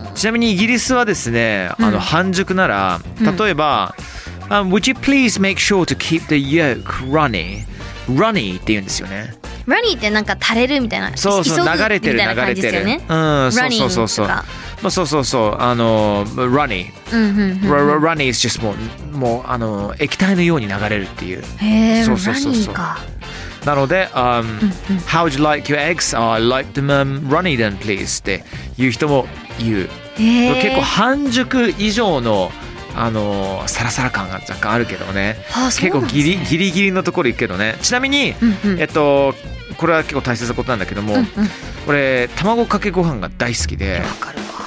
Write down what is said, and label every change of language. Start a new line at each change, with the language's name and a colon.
Japanese: ちなみにイギリスはですねあの半熟なら、例えば、
English: Would you please make sure to keep the yolk runny?
Japanese: Runny って言うんですよね。 Runny ってなんか垂れるみたいな。そうそう、流れてる、流れてる。 Runny とか。そうそうそう。そうそうそう。Runny。
English: Runny is just
Japanese: もう、液体のように流れるっていう。へぇ、Runny か。
English: なので、How would you like your eggs? I like them runny then, please.
Japanese: っていう人も言う。へぇ。結構半熟以上のあのサラサラ感が若干あるけどね、はあ、結構ギリギリのところ行くけどねちなみに、これは結構大切なことなんだけども、うんうん、俺卵かけご飯が大好きで、わかるわ。